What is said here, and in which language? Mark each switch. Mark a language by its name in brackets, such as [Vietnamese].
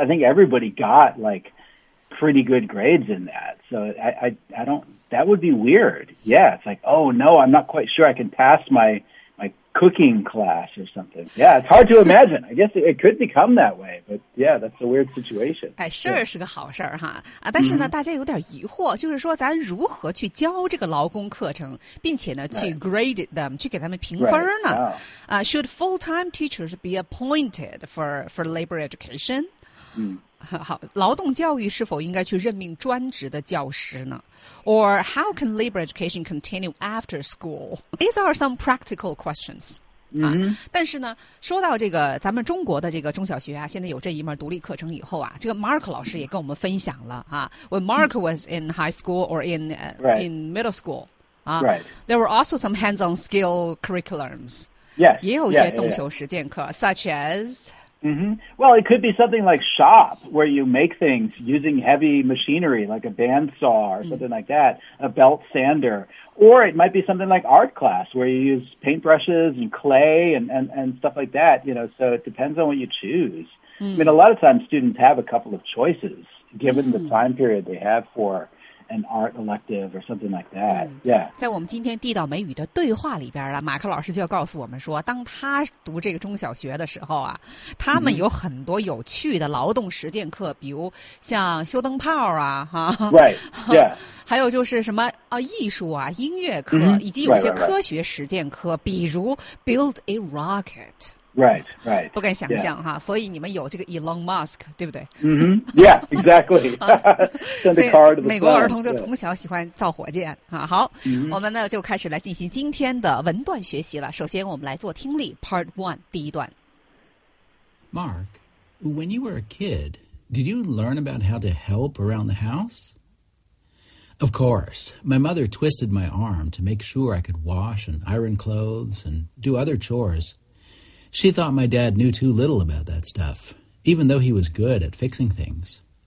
[English] I think everybody got like pretty good grades in that. So I don't, that would be weird. Yeah, it's like, oh no, I'm not quite sure I can pass my cooking class or something. Yeah, it's hard to imagine. I guess it could become that way, but yeah, that's a weird situation. [Chinese] 事儿是个好事儿哈啊，但是呢，大家有点疑惑，就是说咱如何去教这个劳工课程，并且呢去 [English] grade them， [Chinese] 去给他们评分呢？ [English] Should full-time teachers be appointed for labor education? [Chinese] 好，劳动教育是否应该去任命专职的教师呢？ [English] Or how can labor education continue after school? These are some practical questions. [Chinese] 但是呢，说到这个咱们中国的这个中小学啊，现在有这一门独立课程以后啊，这个 Mark 老师也跟我们分享了啊。 [English] When Mark was in high school or in middle school, there were also some hands-on skill curriculums. Yes. [Chinese] 也有一些动手实践课 [English] such as... Well, it could be something like shop, where you make things using heavy machinery, like a bandsaw or something like that, a belt sander. Or it might be something like art class, where you use paintbrushes and clay and stuff like that. You know, so it depends on what you choose. I mean, a lot of times students have a couple of choices, given the time period they have for... an art elective or something like that. Yeah. [Chinese] 在我们今天地道美语的对话里边啊，马克老师就要告诉我们说，当他读这个中小学的时候啊，他们有很多有趣的劳动实践课，比如像修灯泡啊，哈。 [English] Right. Yeah. [Chinese] 还有就是什么啊，艺术啊，音乐课，以及有些科学实践课，比如 [English] build a rocket. Right, right. [Chinese] 不敢想象哈，所以你们有这个 Elon Musk, 对不对？ [English] Yeah, exactly. Send a car to the [Chinese] 美国儿童就从小喜欢造火箭啊。好，我们呢就开始来进行今天的文段学习了。首先，我们来做听力 Part One 第一段。 [English] Mark, when you were a kid, did you learn about how to help around the house? Of course, my mother twisted my arm to make sure I could wash and iron clothes and do other chores. She thought my dad knew too little about that stuff, even though he was good at fixing things.